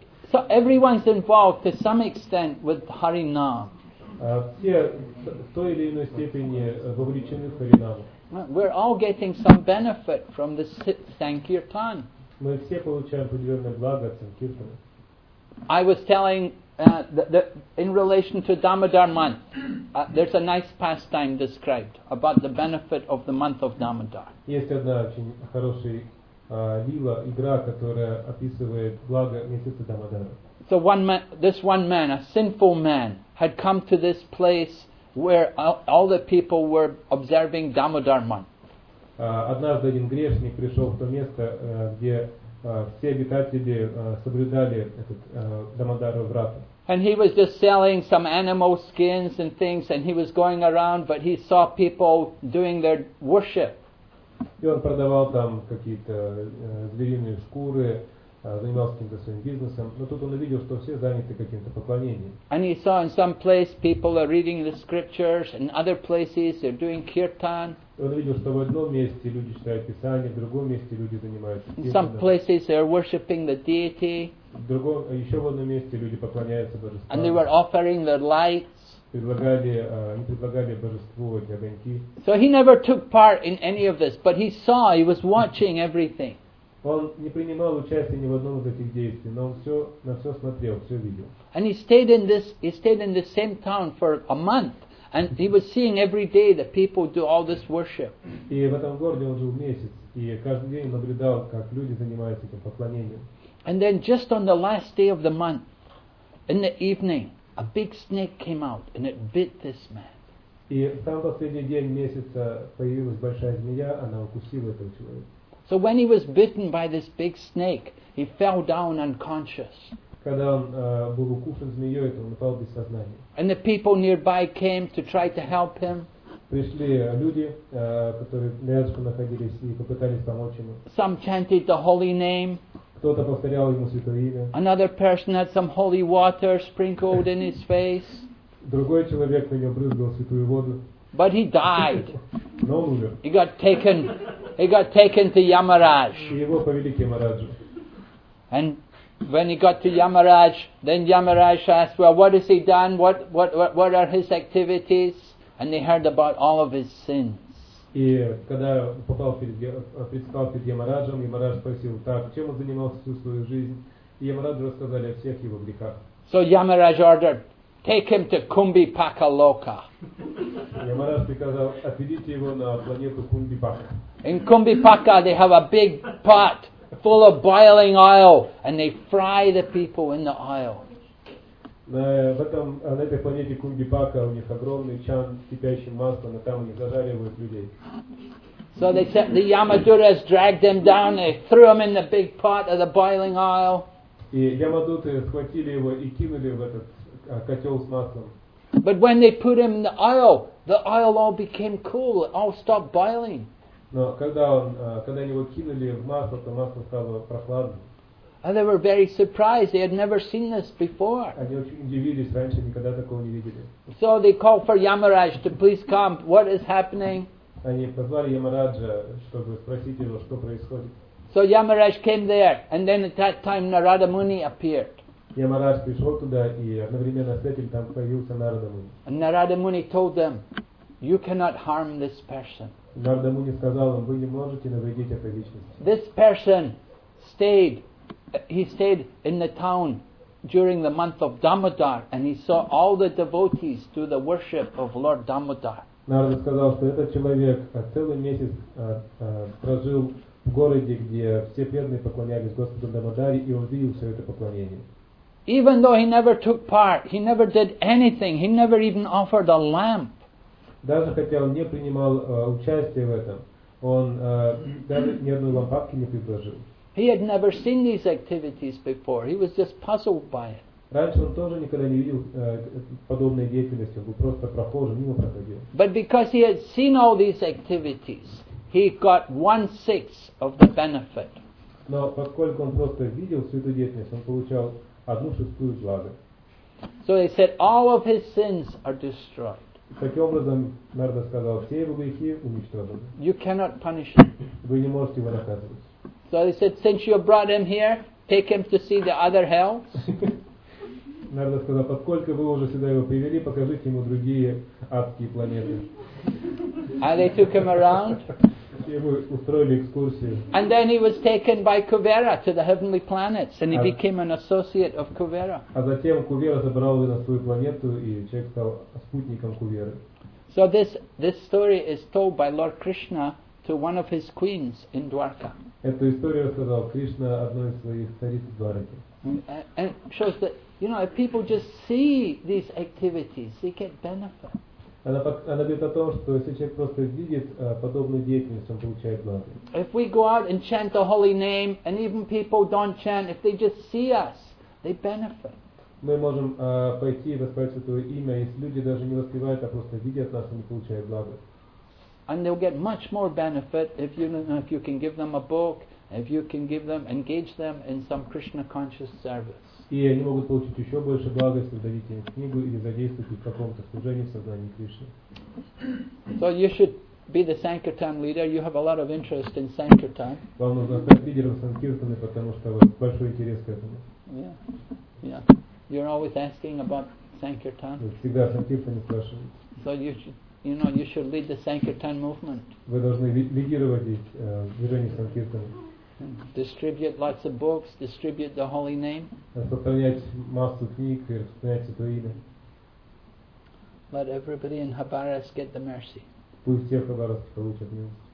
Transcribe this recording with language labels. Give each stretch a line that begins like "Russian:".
English: So everyone's involved to some extent with Hari Nam.
Russian: Все в той или иной степени вовлечены в Hari Nam.
English: We're all getting some benefit from the Sankirtan.
Russian: Мы все получаем определенное благо от Sankirtana.
English: I was telling that in relation to Damodar month, there's a nice pastime described about the benefit of the month of Damodar.
Russian: Есть одна очень хорошая лила, игра, которая описывает благо месяца Дамодара.
English: So this one man, a sinful man, had come to this place where all the people were observing Damodar month.
Russian: Однажды один грешник пришел в то место, где все обитатели соблюдали этот Дамодаров врат.
English: And he was just selling some animal skins and things, and he was going around, but he saw people doing their worship.
Russian: И он продавал там какие-то звериные шкуры, занимался каким-то своим бизнесом, но тут он увидел, что все заняты каким-то поклонением.
English: And he saw in some place people are reading the scriptures, in other places they're doing kirtan.
Russian: Он видел, что в одном месте люди читают Писание, в другом месте люди занимаются киртаном.
English: In some places they are worshiping the deity.
Russian: Еще в одном месте люди поклоняются божествам.
English: And they were offering their lights.
Russian: Предлагали божеству эти огоньки.
English: So he never took part in any of this, but he saw, he was watching everything.
Russian: Он не принимал участия ни в одном из этих действий, но он все, на все смотрел, все видел.
English: And he stayed in the same town for a month. And he was seeing every day that people do all this worship.
Russian: И в этом городе он жил месяц, и каждый день наблюдал, как люди занимаются этим поклонением.
English: And then just on the last day of the month, in the evening, a big snake came out and it bit this man.
Russian: И в самый последний день месяца появилась большая змея, она укусила этого человека.
English: So when he was bitten by this big snake, he fell down unconscious.
Russian: Когда он был укушен змеей, то он упал без сознания.
English: And the people nearby came to try to help him.
Russian: Пришли люди, которые рядышком находились и попытались помочь ему.
English: Some chanted the holy name.
Russian: Кто-то повторял ему святое имя.
English: Another person had some holy water sprinkled in his face.
Russian: Другой человек на него брызгал святую воду.
English: But he died.
Russian: Но он умер.
English: He got taken to Yamaraj.
Russian: Его повели к Ямараджу.
English: And when he got to Yamaraj, then Yamaraj asked, well, what has he done? What are his activities? And they heard about all of his sins.
Russian: И когда попал перед Ямараджем, Ямарадж спросил, так, чем он занимался всю свою жизнь? И Ямараджу рассказали о всех его грехах.
English: So Yamaraj ordered, take him to Kumbhipaka Loka.
Russian: Ямарадж приказал, отведите его на планету Кумбхипака.
English: In Kumbhipaka they have a big pot full of boiling oil, and they fry the people in the oil.
Russian: На этой планете Кумбхипака у них огромный чан с кипящим маслом, и там они зажаривают людей.
English: So they said the Yamadutas dragged them down, they threw them in the big pot of the boiling oil.
Russian: И Ямадуты схватили его и кинули в этот котел с маслом.
English: But when they put him in the oil all became cool, it all stopped boiling.
Russian: Но когда они его кинули в масло, то масло стало прохладным.
English: And they were very surprised. They had never seen this before.
Russian: Они очень удивились, раньше никогда такого не видели.
English: So they called for Yamaraj to please come. What is happening?
Russian: Они позвали Ямараджа, чтобы спросить его, что происходит.
English: So Yamaraj came there, and then at that time Narada Muni appeared.
Russian: Ямарадж пришел туда, и одновременно с этим там появился Нарада Муни.
English: And Narada Muni told them, "You cannot harm this person."
Russian: Нарада Муни сказал им, вы не можете навредить этой личности.
English: This person stayed. He stayed in the town during the month of Damodar, and he saw all the devotees do the worship of Lord Damodar.
Russian: Нарада сказал, что этот человек целый месяц прожил в городе, где все преданные поклонялись Господу Дамодаре, и увидел все это поклонение.
English: Even though he never took part, he never did anything, he never even offered a lamp.
Russian: Даже хотя он не принимал участия в этом, он даже ни одной лампадки не предложил.
English: He had never seen these activities before. He was just puzzled by it.
Russian: Раньше он тоже никогда не видел подобной деятельности. Он был просто прохожим, мимо проходил.
English: But because he had seen all these activities, he got 1/6 of the benefit.
Russian: Но поскольку он просто видел всю эту деятельность, он получал 1/6 блага.
English: So he said, all of his sins are destroyed.
Russian: Таким образом, Нарда сказал, все его грехи уничтожены.
English: You cannot punish him.
Russian: Вы не можете его наказывать.
English: So they said, since you brought him here, take him to see the other hells.
Russian: Нарада сказал, поскольку вы уже сюда его привели, покажите ему другие адские планеты.
English: And they took him around.
Russian: Ему устроили экскурсию.
English: And then he was taken by Kuvera to the heavenly planets, and he became an associate of Kuvera.
Russian: А затем Кувера забрал его на свою планету, и человек стал спутником Куверы.
English: So this story is told by Lord Krishna to one of his queens in Dwarka.
Russian: Эту историю рассказал Кришна одной из своих цариц Двараки.
English: And shows that, you know, if people just see these activities, they get benefit.
Russian: Она говорит о том, что если человек просто видит подобную деятельность, он получает благо.
English: If we go out and chant the holy name, and even people don't chant, if they just see us, they benefit.
Russian: Мы можем пойти и воспевать Святое Имя, если люди даже не воспевают, а просто видят нас, они получают благо.
English: And they'll get much more benefit if you can give them a book, if you can give them, engage them in some Krishna conscious service.
Russian: И они могут получить еще больше блага, если дадите им книгу или задействуете в каком-то служении в сознании Кришны.
English: So you should be the Sankirtan leader. You have a lot of interest in Sankirtan.
Russian: Вам нужно стать лидером Санкиртаны, потому что у вас большой интерес к этому.
English: Yeah. You're always asking about Sankirtan.
Russian: Вы всегда о Санкиртане спрашиваете.
English: So you should. You know, you should lead the Sankirtan movement.
Russian: Вы должны лидировать движение Санкиртаны.
English: Distribute lots of books, distribute the holy name.
Russian: Распространять массу книг и распространять Святое Имя.
English: Let everybody in Хабаровск get the mercy.
Russian: Пусть все в Хабаровске получат милость.